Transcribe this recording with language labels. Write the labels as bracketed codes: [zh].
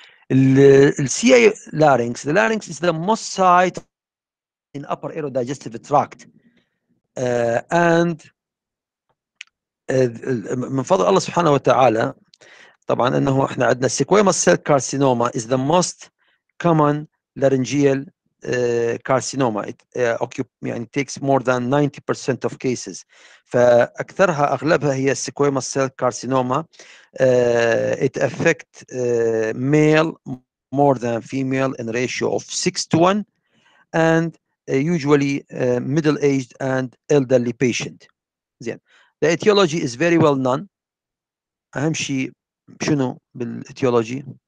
[en] CA larynx, the larynx is the most site in upper aerodigestive tract, and [ar] من فضل الله سبحانه وتعالى طبعا انه احنا عندنا [en] Squamous cell carcinoma is the most common laryngeal carcinoma. It يعني takes more than 90% of cases. [ar] فاكثرها اغلبها هي سيكويموس سيل كارسينوما. [en] It affect male more than female in ratio of 6 to 1, and usually middle-aged and elderly patient. زين. The etiology is very well known. [ar] أهم شيء شنو بالإتيولوجي؟